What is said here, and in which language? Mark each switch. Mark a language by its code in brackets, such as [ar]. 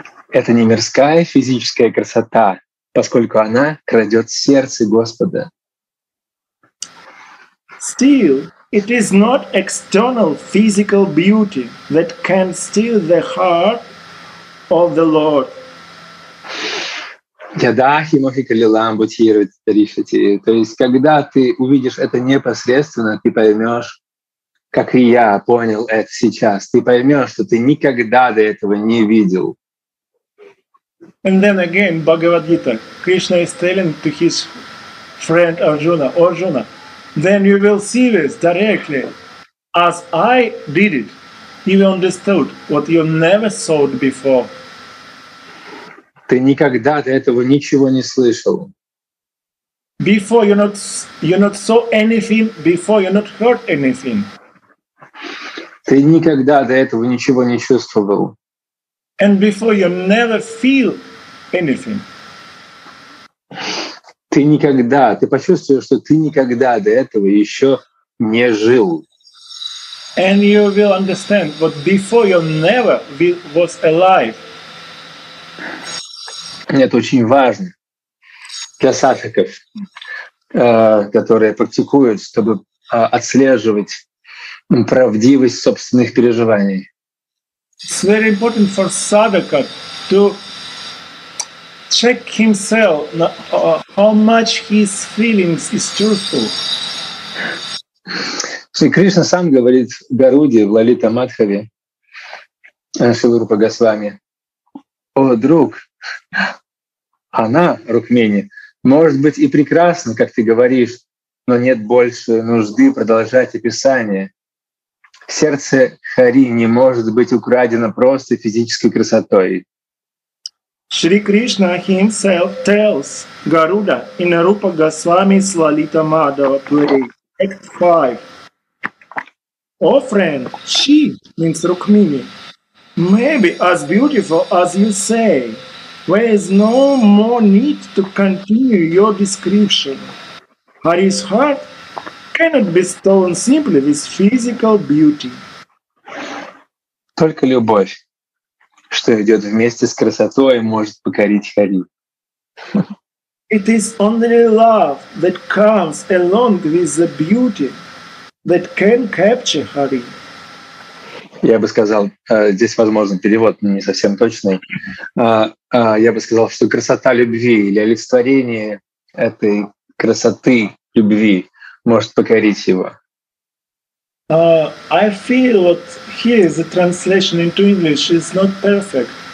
[ru] Это не мирская физическая красота, поскольку она крадет сердце Господа. [en] Still, it is not external physical beauty that can steal the heart of the Lord. [sa] Ядахи мохикалилам бутирвит ришити. [ru] То есть, когда ты увидишь это непосредственно, ты поймешь, как и я понял это сейчас, ты поймешь, что ты никогда до этого не видел. [en] And then again, Bhagavad Gita, Krishna is telling to his friend Arjuna, Arjuna, then you will see this directly, as I did it, you will understand what you never saw before. [ru] Ты никогда до этого ничего не слышал. [en] Before you not saw anything, before you not heard anything. [ru] Ты никогда до этого ничего не чувствовал. [en] And before you never feel anything. [ru] Ты почувствуешь, что ты никогда до этого еще не жил. [en] And you will understand what before you never was alive. [ru] Это очень важно для садхаков, которые практикуют, чтобы отслеживать правдивость собственных переживаний. [en] It's very important for sadhaka to check himself how much his feelings is truthful. [ru] Шри Кришна сам говорит Гаруде в Лалита Мадхаве, Шрила Рупа Госвами: «О, друг, она, Рукмини, может быть и прекрасна, как ты говоришь, но нет больше нужды продолжать описание. Сердце Хари не может быть украдено просто физической красотой». [en] Шри Кришна himself tells Garuda in Rupa Goswami Lalita Madhava play, Act 5. О, friend, she means Rukmini. Maybe as beautiful as you say, there is no more need to continue your description. Hari's heart cannot be stolen simply with physical beauty. [ru] Только любовь, что идет вместе с красотой, может покорить Хари. [en] It is only love that comes along with the beauty that can capture Hari. [ru] Я бы сказал, здесь возможен перевод, но не совсем точный. Я бы сказал, что красота любви или олицетворение этой красоты любви может покорить его. [en] I feel what here the translation into English is not perfect.